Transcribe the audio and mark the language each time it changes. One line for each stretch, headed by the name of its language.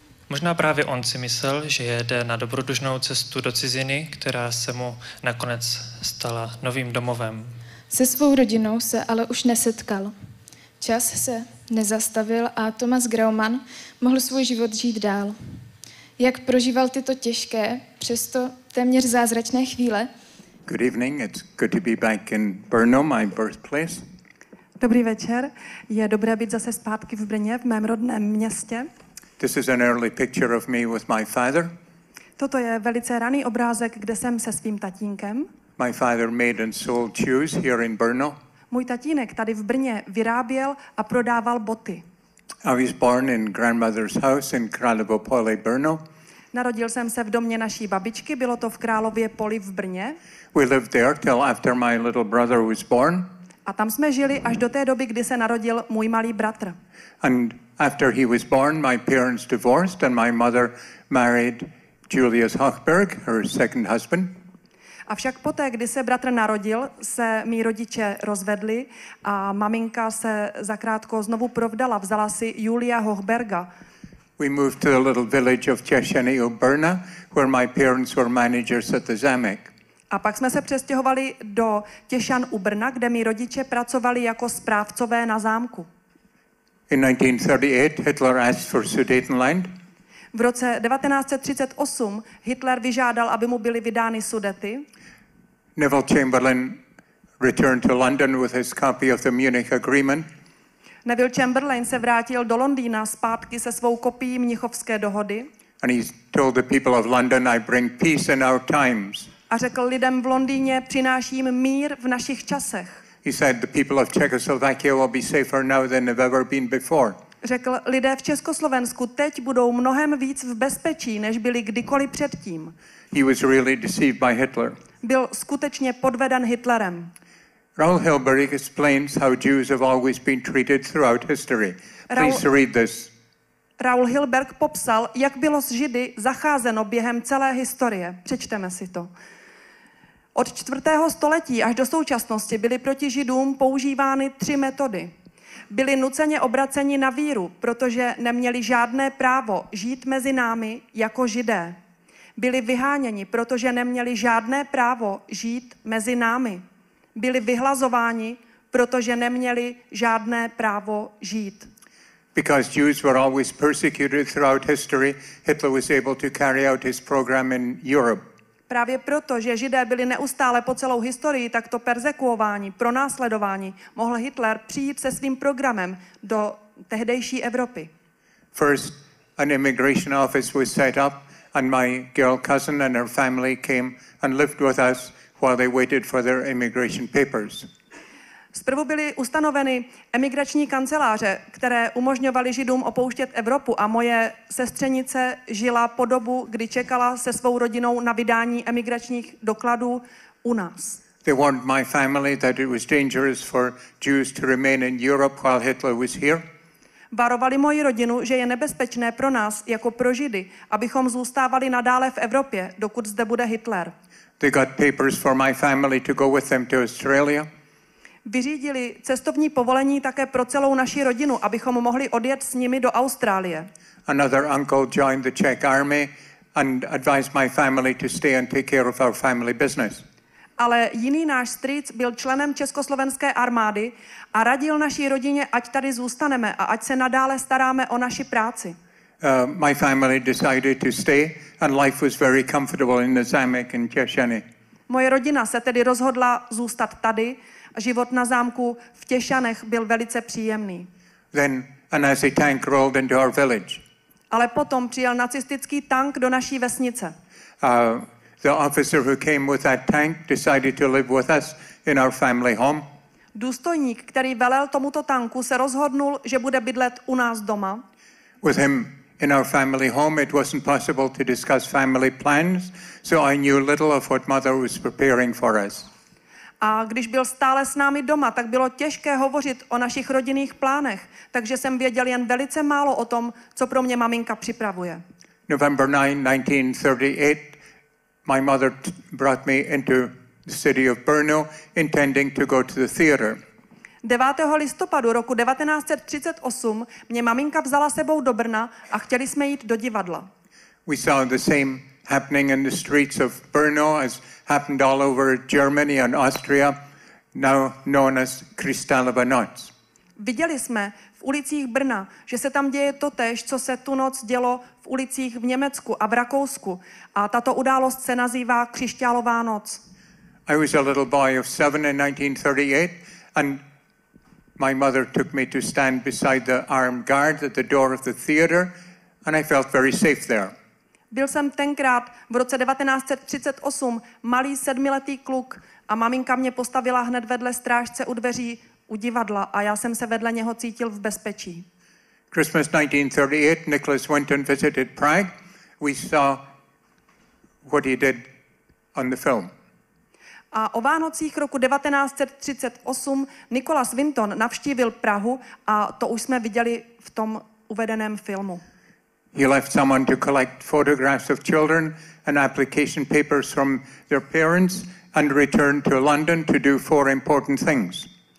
Czech: Možná právě on si myslel, že jede na dobrodružnou cestu do ciziny, která se mu nakonec stala novým domovem. Se svou rodinou se ale už nesetkal. Čas se nezastavil a Tomáš Graumann mohl svůj život žít dál. Jak prožíval tyto těžké, přesto téměř zázračné chvíle?
English: Good evening, it's good to be back in Brno, my birthplace.
Czech: Dobrý večer, je dobré být zase zpátky v Brně, v mém rodném městě.
English: This is an early picture of me with my father.
Czech: Toto je velice raný obrázek, kde jsem se svým tatínkem.
English: My father made and sold shoes here in Brno.
Czech: Můj tatínek tady v Brně vyráběl a prodával boty.
English: I was born in grandmother's house in Králové Poli, Brno.
Czech: Narodil jsem se v domě naší babičky, bylo to v Králově Poli v Brně.
English: We lived there till after my little brother was born.
Czech: A tam jsme žili až do té doby, kdy se narodil můj malý bratr.
English: And after he was born, my parents divorced and my mother married Julius Hochberg, her second husband.
Czech: Avšak poté, kdy se bratr narodil, se mý rodiče rozvedli a maminka se zakrátko znovu provdala, vzala si Julia Hochberga.
English: We moved to the little village of Češeny u Brna, where my parents were managers at the Zamek.
Czech: A pak jsme se přestěhovali do Těšan u Brna, kde mý rodiče pracovali jako správcové na zámku.
English: In 1938 Hitler asked for Sudetenland.
Czech: V roce 1938 Hitler vyžádal, aby mu byly vydány Sudety.
English: Neville Chamberlain returned to London with his copy of the Munich Agreement.
Czech: Neville Chamberlain se vrátil do Londýna zpátky se svou kopií Mnichovské dohody.
English: And he told the people of London, I bring peace in our times.
Czech: A řekl lidem v Londýně, přináším mír v našich časech.
English: He said the people of Czechoslovakia will be safer now than they've ever been before.
Czech: Řekl, lidé v Československu teď budou mnohem víc v bezpečí, než byli kdykoliv předtím.
English: He was really deceived by Hitler.
Czech: Byl skutečně podveden Hitlerem.
English: Raoul Hilberg explains how Jews have always been treated throughout history. Please read this.
Czech: Raoul Hilberg popsal, jak bylo s Židy zacházeno během celé historie. Přečteme si to. Od 4. století až do současnosti byly proti Židům používány 3 metody. Byli nuceně obraceni na víru, protože neměli žádné právo žít mezi námi jako Židé. Byli vyháněni, protože neměli žádné právo žít mezi námi. Byli vyhlazováni, protože neměli žádné právo žít.
English: Because Jews were always persecuted throughout history, Hitler was able to carry out his program in Europe.
Czech: Právě proto, že Židé byli neustále po celou historii takto perzekuováni, pronásledováni, mohl Hitler přijít se svým programem do tehdejší Evropy.
English: First, an immigration office was set up and my girl cousin and her family came and lived with us while they waited for their immigration papers.
Czech: Zprvu byly ustanoveny emigrační kanceláře, které umožňovaly Židům opouštět Evropu a moje sestřenice žila po dobu, kdy čekala se svou rodinou na vydání emigračních dokladů u nás.
English: They warned my family that it was dangerous for Jews to remain in Europe while Hitler was here.
Czech: Varovali moji rodinu, že je nebezpečné pro nás, jako pro Židy, abychom zůstávali nadále v Evropě, dokud zde bude Hitler.
English: They got papers for my family to go with them to Australia.
Czech: Vyřídili cestovní povolení také pro celou naši rodinu, abychom mohli odjet s nimi do Austrálie.
English: Another uncle joined the Czech army and advised my family to stay and take care of our family business.
Czech: Ale jiný náš strýc byl členem československé armády a radil naší rodině, ať tady zůstaneme a ať se nadále staráme o naši práci.
English: My family decided to stay and life was very comfortable in the Zámek in Těšany.
Czech: Moje rodina se tedy rozhodla zůstat tady. Život na zámku v Těšanech byl velice příjemný.
English: Then a Nazi tank rolled into our village.
Czech: Ale potom přijel nacistický tank do naší vesnice.
English: The officer who came with that tank decided to live with us in our family home.
Czech: Důstojník, který velel tomuto tanku, se rozhodnul, že bude bydlet u nás doma.
English: With him in our family home, it wasn't possible to discuss family plans, so I knew little of what mother was preparing for us.
Czech: A když byl stále s námi doma, tak bylo těžké hovořit o našich rodinných plánech, takže jsem věděl jen velice málo o tom, co pro mě maminka připravuje.
English: November 9, 1938, my mother brought me into the city of Brno, intending to go to the theater.
Czech: 9. listopadu roku 1938 mě maminka vzala sebou do Brna a chtěli jsme jít do divadla.
English: We saw the same happening in the streets of Brno as happened all over Germany and Austria, now known as Kristallova noc.
Czech: Viděli jsme v ulicích Brna, že se tam děje totéž, co se tu noc dělo v ulicích v Německu a v Rakousku, a tato událost se nazývá Křišťálová noc.
English: I was a little boy of 7 in 1938 and my mother took me to stand beside the armed guard at the door of the theater and I felt very safe there.
Czech: Byl jsem tenkrát v roce 1938 malý sedmiletý kluk a maminka mě postavila hned vedle strážce u dveří u divadla a já jsem se vedle něho cítil v bezpečí.
English: Christmas 1938, Nicholas Winton visited Prague. We saw what he did on the film.
Czech: A o Vánocích roku 1938 Nicholas Winton navštívil Prahu a to už jsme viděli v tom uvedeném filmu.
English: He left someone to collect photographs of children and application papers from their parents and returned to London to do four important things.